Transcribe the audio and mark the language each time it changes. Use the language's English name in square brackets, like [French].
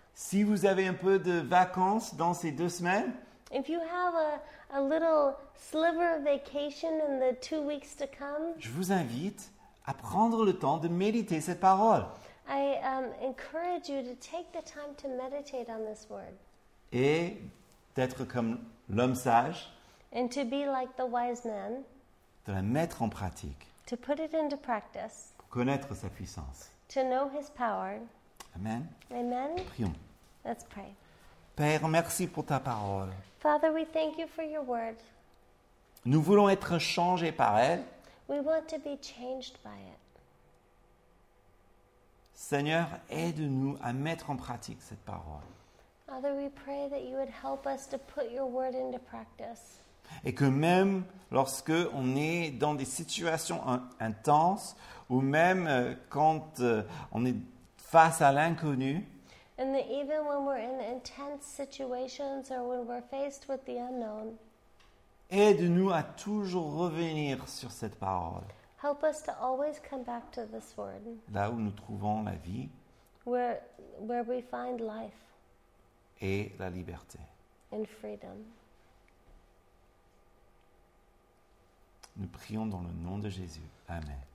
[French] Si vous avez un peu de vacances dans ces deux semaines, [English] if you have a little sliver of vacation in the 2 weeks to come, [French] je vous invite à prendre le temps de méditer cette parole. [English] I encourage you to take the time to meditate on this word. [French] Et d'être comme l'homme sage, [English] and to be like the wise man, [French] de la mettre en pratique, [English] to put it into practice, [French] pour connaître sa puissance. [English] To know his power. [French] Amen. [English] Amen. [French] Prions. [English] Let's pray. [French] Père, merci pour ta parole. [English] Father, we thank you for your word. [French] Nous voulons être changés par elle. [English] We want to be changed by it. [French] Seigneur, aide-nous à mettre en pratique cette parole. [English] Father, we pray that you would help us to put your word into practice. [French] Et que même lorsque on est dans des situations intenses ou même quand on est face à l'inconnu, [English] and that even when we're in intense situations or when we're faced with the unknown, [French] aide-nous à toujours revenir sur cette parole. [English] Help us to always come back to this word. [French] Là où nous trouvons la vie. [English] Where we find life. [French] Et la liberté. [English] And freedom. [French] Nous prions dans le nom de Jésus. Amen.